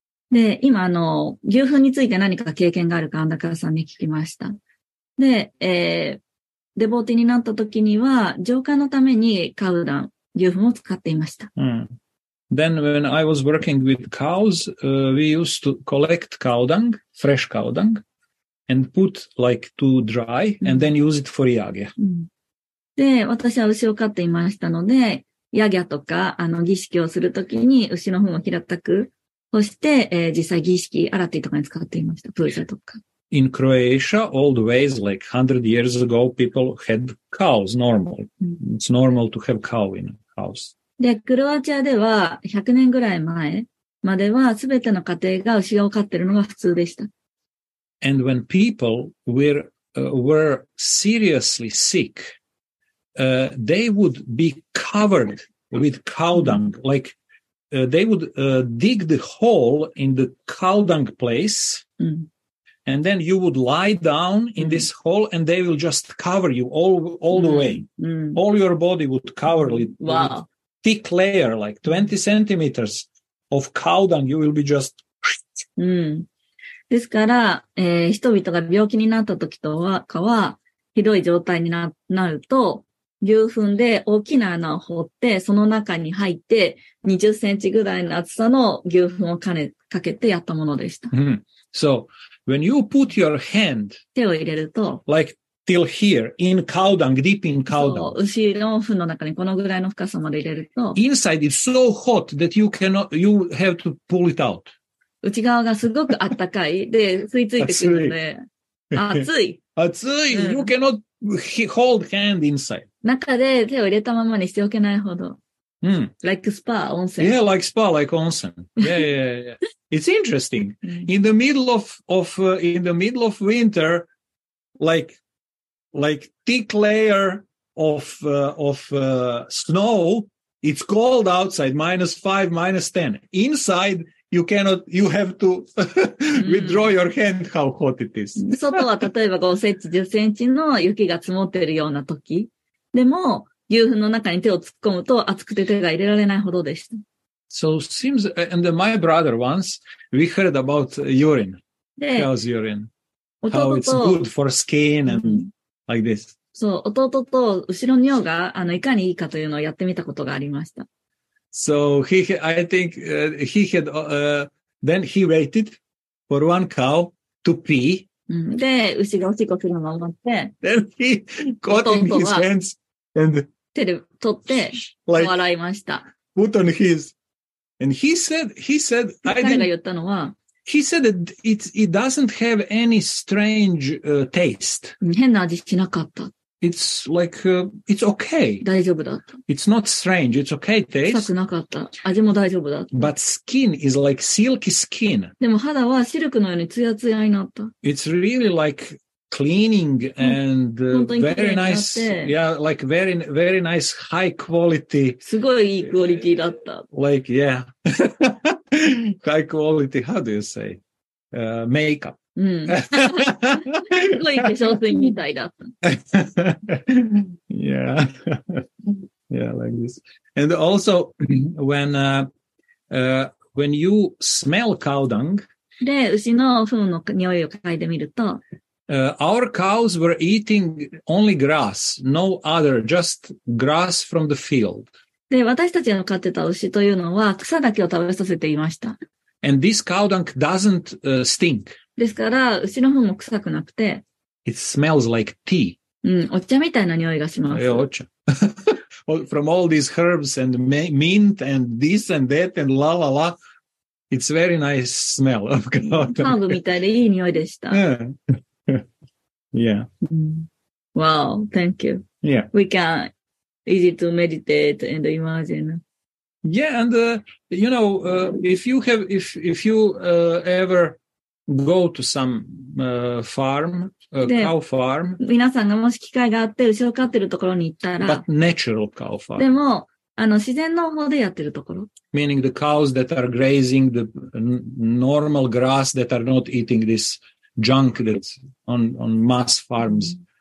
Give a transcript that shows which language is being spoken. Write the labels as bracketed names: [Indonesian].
[Japanese] で、今、あの、牛糞について何か経験があるか、アンダカーさんに聞きました。で、デボーティになった時には、浄化のためにカウダン、牛糞を使っていました。うん。 [English] Then when I was working with cows, we used to collect cow dung, fresh cow dung, and put like to dry, and then use it for yagya. [Japanese] で、私は牛を飼っていましたので、ヤギャとか、あの、儀式をするときに、牛の糞を平たく、そして、実際儀式、アラティとかに使っていました、プーザとか。 [English] In Croatia, old ways, like 100 years ago, people had cows, normal. It's normal to have cow in a house. [Japanese] で、クロアチアでは、100年ぐらい前までは、すべての家庭が牛を飼ってるのが普通でした。 [English] And when people were seriously sick,they would be covered with cow dung. Like, they would dig the hole in the cow dung place, and then you would lie down in this hole, and they will just cover you all the way. All your body would cover it. Wow. Thick layer, like 20 centimeters of cow dung, you will be just... [Japanese] ですから、人々が病気になった時とかは、ひどい状態になると、牛糞で大きな穴を掘って、その中に入って、20センチぐらいの厚さの牛糞をかけてやったものでした。 [English] Mm-hmm. So, when you put your hand, [Japanese] 手を入れると、 [English] like till here, in cow dung, deep in cow dung. [Japanese] 牛の糞の中にこのぐらいの深さまで入れると、 [English] inside is so hot that you cannot, you have to pull it out. [Japanese] 内側がすごく暖かい、で、吸い付いてくるので、熱い、うん、! [English] You cannot hold hand inside. [Japanese] 中で手を入れたままにしておけないほど。うん。 [English] Like spa, [Japanese] 温泉。 [English] Yeah, like spa, like [Japanese] 温泉。 [English] Yeah. It's interesting. In the middle of winter, like thick layer of snow, it's cold outside, -5, -10. Inside,You cannot, you have to withdraw your hand how hot it is. [Japanese] 外は例えば5センチ、10センチの雪が積もっているような時。でも、牛糞の中に手を突っ込むと熱くて手が入れられないほどでした。 [English] So seems, and my brother once, we heard about urine. Cow's urine. How it's good for skin and like this. [Japanese] そう、弟と後ろ尿が、あの、いかにいいかというのをやってみたことがありました。 [English] So then he waited for one cow to pee. [Japanese] で、牛がおしっこするのを待って。 [English] Then he caught in his hands and [Japanese] 手で取って笑いました。 [English] Put on his. And he said, I didn't, [Japanese] 彼が言ったのは、 [English] he said that it doesn't have any strange taste. [Japanese] 変な味しなかった。 [English] It's like, it's okay. [Japanese] 大丈夫だった。 [English] It's not strange. It's okay taste. [Japanese] 臭くなかった。味も大丈夫だった。 [English] But skin is like silky skin. [Japanese] でも肌はシルクのようにツヤツヤになった。 [English] It's really like cleaning and very nice. Yeah, like very, very nice high quality. [Japanese] すごいいいクオリティだった。 [English] Like, yeah. high quality, how do you say? Makeup. [Japanese] すごい化粧品みたいだった。 [English] Yeah. Yeah, like this. And also, when you smell cow dung, [Japanese] で、牛の糞の匂いを嗅いでみると、 [English] our cows were eating only grass, no other, just grass from the field. [Japanese] で、私たちの飼ってた牛というのは草だけを食べさせていました。 [English] And this cow dung doesn't stink. [Japanese] ですから、牛の糞も臭くなくて。 [English] It smells like tea. [Japanese] お茶みたいな匂いがします。え、お茶。 [English] From all these herbs and mint and this and that and la la la, it's very nice smell of God. [Japanese] ハーブみたいでいい匂いでした。 [English] Yeah. Wow, thank you. Yeah. We can easy to meditate and imagine. Yeah, and you know, if you ever go to some farm, cow farm. [Japanese] 皆さんがもし機会があって牛を飼ってるところに行ったら、 [English] But natural cow farm. [Japanese] でも、自然農法でやってるところ。 [English] Meaning the cows that are grazing the normal grass that are not eating this junk that's on mass farms.